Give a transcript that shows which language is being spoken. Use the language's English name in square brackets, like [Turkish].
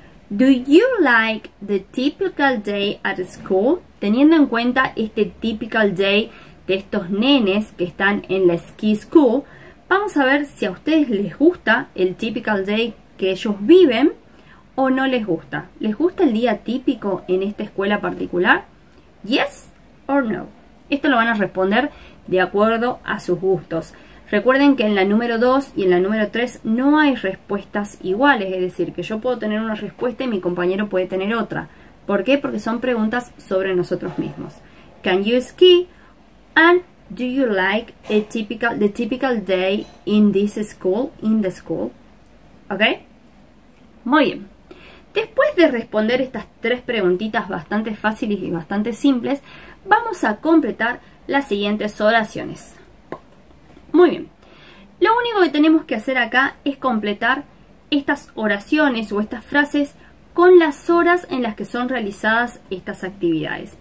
[English] Do you like the typical day at school? [Spanish] Teniendo en cuenta este typical day de estos nenes que están en la ski school, vamos a ver si a ustedes les gusta el typical day que ellos viven o no les gusta. ¿Les gusta el día típico en esta escuela particular? [English] Yes or no? [Spanish] Esto lo van a responder de acuerdo a sus gustos. Recuerden que en la número 2 y en la número 3 no hay respuestas iguales, es decir, que yo puedo tener una respuesta y mi compañero puede tener otra. ¿Por qué? Porque son preguntas sobre nosotros mismos. [English] Can you ski? And do you like the typical day in this school, in the school? [Spanish] ¿Ok? Muy bien. Después de responder estas tres preguntitas bastante fáciles y bastante simples, vamos a completar las siguientes oraciones. Muy bien, lo único que tenemos que hacer acá es completar estas oraciones o estas frases con las horas en las que son realizadas estas actividades.